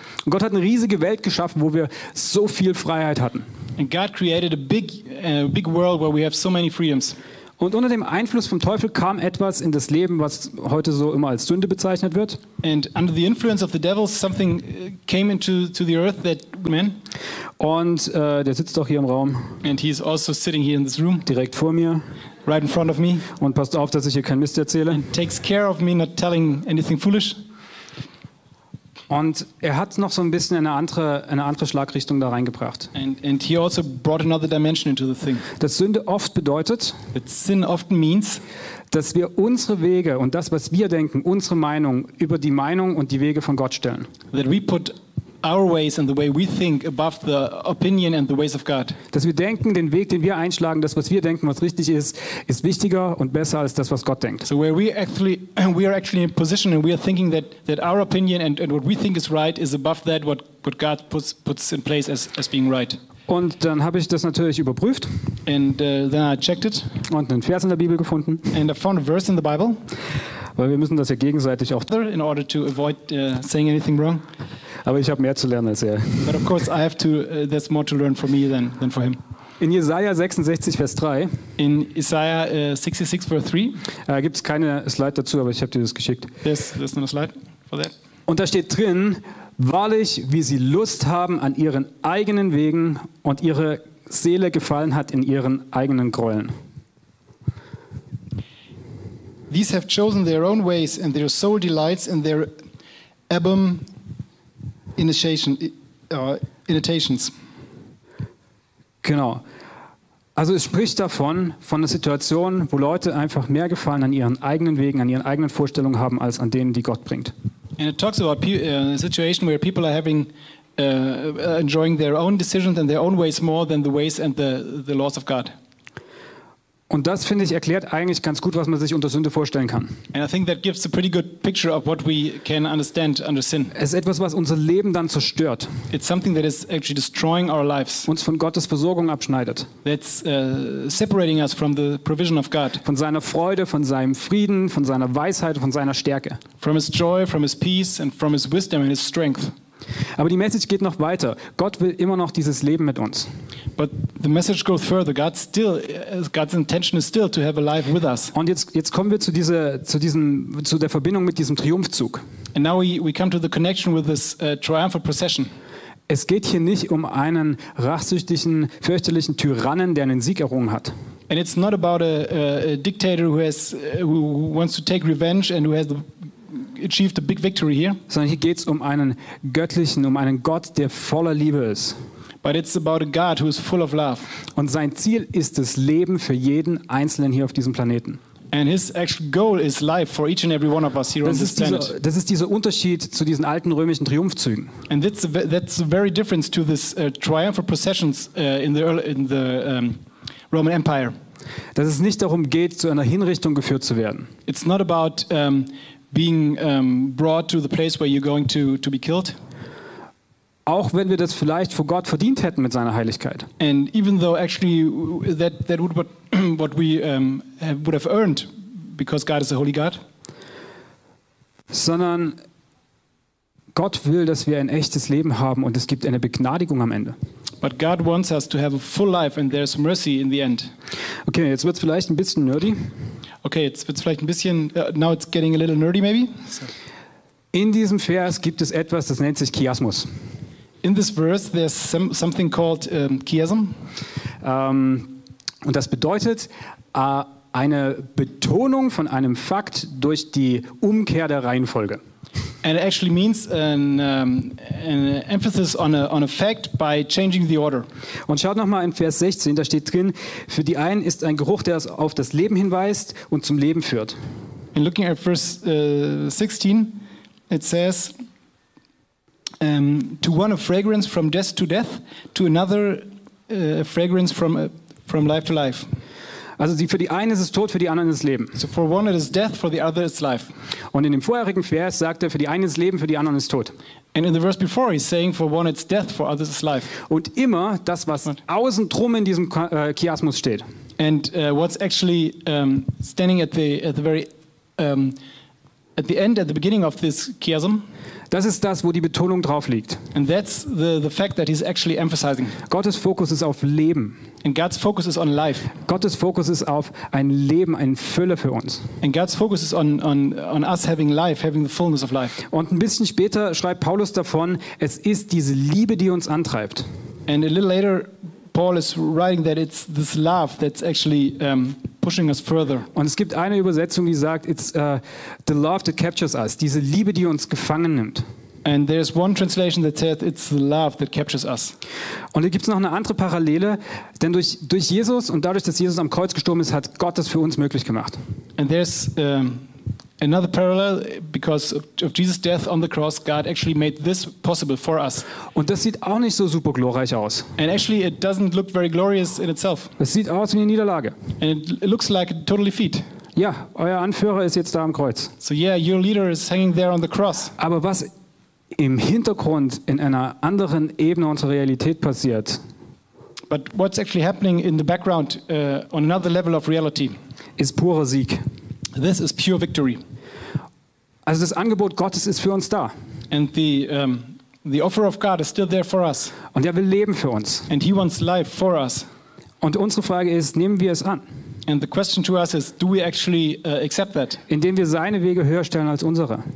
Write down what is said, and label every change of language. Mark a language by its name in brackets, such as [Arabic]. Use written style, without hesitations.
[German] Und Gott hat eine riesige Welt geschaffen, wo wir so viel Freiheit hatten. [English] And God created a big world where we have so many freedoms. [German] Und unter dem Einfluss vom Teufel kam etwas in das Leben, was heute so immer als Sünde bezeichnet wird. [English] And under the influence of the devil, something came into the earth that man. [German] Und der sitzt doch hier im Raum. [English] And he's also sitting here in this room. [German] Direkt vor mir. [English] Right in front of me. [German] Und passt auf, dass ich hier keinen Mist erzähle. [English] And takes care of me, not telling anything foolish. [German] Und er hat noch so ein bisschen eine andere Schlagrichtung da reingebracht. [English] And he also brought another dimension into the thing. [German] Dass Sünde oft bedeutet, [English] that sin often means, [German] dass wir unsere Wege und das, was wir denken, unsere Meinung über die Meinung und die Wege von Gott stellen. [English] That we put our ways and the way we think above the opinion and the ways of God. [German] Dass wir denken, den Weg, den wir einschlagen, das, was wir denken, was richtig ist, ist wichtiger und besser als das, was Gott denkt. [English] So where we are actually in a position and we are thinking that our opinion and what we think is right is above that what God puts in place as being right. [German] Und dann habe ich das natürlich überprüft. [English] And then I checked it. [German] Und einen Vers in der Bibel gefunden. [English] And I found a verse in the Bible. [German] Weil wir müssen das ja gegenseitig auch. [English] In order to avoid saying anything wrong. [German] Aber ich habe mehr zu lernen als er. [English] But of course I have to. There's more to learn for me than for him. [German] In Jesaja 66 Vers 3. [English] In Isaiah 66 Vers 3. [German] Gibt es keine Slide dazu, aber ich habe dir das geschickt. [English] There's no slide for that. [German] Und da steht drin: Wahrlich, wie sie Lust haben an ihren eigenen Wegen und ihre Seele gefallen hat in ihren eigenen Gräueln. [English] These have chosen their own ways and their soul delights in their abom. Initiations. [German] Genau. Also es spricht davon, von einer Situation, wo Leute einfach mehr Gefallen an ihren eigenen Wegen, an ihren eigenen Vorstellungen haben, als an denen, die Gott bringt. [English] And it talks about a situation where people are having, enjoying their own decisions and their own ways more than the ways and the laws of God. [German] Und das, finde ich, erklärt eigentlich ganz gut, was man sich unter Sünde vorstellen kann. [English] And I think that gives a pretty good picture of what we can understand under sin. [German] Es ist etwas, was unser Leben dann zerstört. [English] It's something that is actually destroying our lives. [German] Uns von Gottes Versorgung abschneidet. [English] That's separating us from the provision of God. [German] Von seiner Freude, von seinem Frieden, von seiner Weisheit, von seiner Stärke. [English] From his joy, from his peace and from his wisdom and his strength. [German] Aber die Message geht noch weiter. Gott will immer noch dieses Leben mit uns. [English] But the message goes further. God's intention is still to have a life with us. [German] Und jetzt kommen wir zu der Verbindung mit diesem Triumphzug. [English] And now we come to the connection with this triumphal procession. [German] Es geht hier nicht um einen rachsüchtigen, fürchterlichen Tyrannen, der einen Sieg errungen hat. [English] And it's not about a dictator who wants to take revenge and who has the achieved a big victory here. [German] Sondern hier geht's um einen göttlichen, um einen Gott, der voller Liebe ist. [English] But it's about a God who is full of love. [German] Und sein Ziel ist das Leben für jeden Einzelnen hier auf diesem Planeten. [English] And his actual goal is life for each and every one of us here on this planet. [German] Das ist dieser Unterschied zu diesen alten römischen Triumphzügen. [English] And that's a very difference to this triumphal processions in the Roman Empire. [German] Dass es nicht darum geht, zu einer Hinrichtung geführt zu werden. [English] It's not about being brought to the place where you're going to be killed. [German] Auch wenn wir das vielleicht vor Gott verdient hätten mit seiner Heiligkeit. [English] And even though actually that would what we would have earned because God is a holy God. [German] Sondern Gott will, dass wir ein echtes Leben haben und es gibt eine Begnadigung am Ende. [English] But God wants us to have a full life and there's mercy in the end. [German] Okay, jetzt wird's vielleicht ein bisschen nerdy. Okay, jetzt wird's vielleicht ein bisschen [English] now it's getting a little nerdy maybe. [German] In diesem Vers gibt es etwas, das nennt sich Chiasmus. [English] In this verse there's something called chiasm. [German] Und das bedeutet eine Betonung von einem Fakt durch die Umkehr der Reihenfolge. [English] And it actually means an emphasis on a fact by changing the order. [German] Und schaut nochmal in Vers 16, da steht drin, für die einen ist ein Geruch, der auf das Leben hinweist und zum Leben führt. [English] In looking at verse 16, it says, to one a fragrance from death to death, to another a fragrance from life to life. [German] Also für die einen ist es Tod, für die anderen ist es Leben. [English] So for one it is death, for the other it's life. [German] Und in dem vorherigen Vers sagt er, für die einen ist Leben, für die anderen ist Tod. [English] And in the verse before he's saying, for one it's death, for others it's life. [German] Und immer das, was außen drum in diesem Chiasmus steht. [English] And what's actually standing at the end, at the beginning of this chiasm. [German] Das ist das, wo die Betonung drauf liegt. [English] And that's the fact that he's actually emphasizing. [German] Gottes Fokus ist auf Leben. [English] And God's focus is on life. [German] Gottes Fokus ist auf ein Leben, eine Fülle für uns. [English] And God's focus is on us having life, having the fullness of life. [German] Und ein bisschen später schreibt Paulus davon, es ist diese Liebe, die uns antreibt. [English] And a little later Paul is writing that it's this love that's actually pushing us further. [German] Und es gibt eine Übersetzung, die sagt, [English] it's the love that captures us, [German] diese Liebe, die uns gefangen nimmt. [English] And there's one translation that says it's the love that captures us. [German] Und hier gibt's noch eine andere Parallele, denn durch Jesus und dadurch, dass Jesus am Kreuz gestorben ist, hat Gott das für uns möglich gemacht. [English] And there's another parallel, because of Jesus' death on the cross, God actually made this possible for us. [German] Und das sieht auch nicht so super glorreich aus. [English] And actually, it doesn't look very glorious in itself. [German] Es sieht aus wie eine Niederlage. [English] And it looks like a total defeat. [German] Ja, euer Anführer ist jetzt da am Kreuz. [English] So yeah, your leader is hanging there on the cross. [German] Aber was im Hintergrund in einer anderen Ebene unserer Realität passiert? [English] But what's actually happening in the background on another level of reality? [German] Ist purer Sieg. [English] This is pure victory. [German] Also das Angebot Gottes ist für uns da. [English] And the offer of God is still there for us. [German] Und er will Leben für uns. [English] And he wants life for us. [German] Und unsere Frage ist, nehmen wir es an? [English] And the question to us is, do we actually accept that? [German] Indem wir seine Wege höher stellen als unsere.